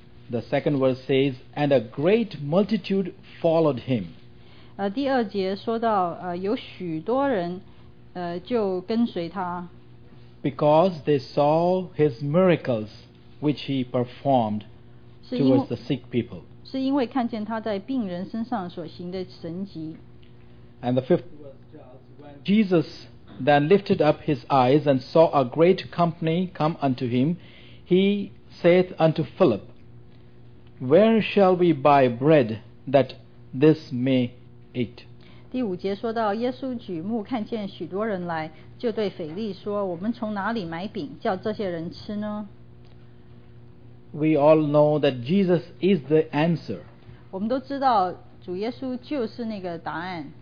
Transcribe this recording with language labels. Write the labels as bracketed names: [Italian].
[English] The second verse says, and a great multitude followed him. [Chinese] 第二节说到有许多人就跟随他。 [English] Because they saw his miracles which he performed towards the sick people. [Chinese] 是因为看见他在病人身上所行的神迹。 [English] And the fifth verse tells, when Jesus then lifted up his eyes and saw a great company come unto him, he saith unto Philip, Where shall we buy bread that this may eat? [Chinese] 第五节说到耶稣举目看见许多人来，就对腓力说，我们从哪里买饼叫这些人吃呢？ [English] We all know that Jesus is the answer. [Chinese] 我们都知道主耶稣就是那个答案。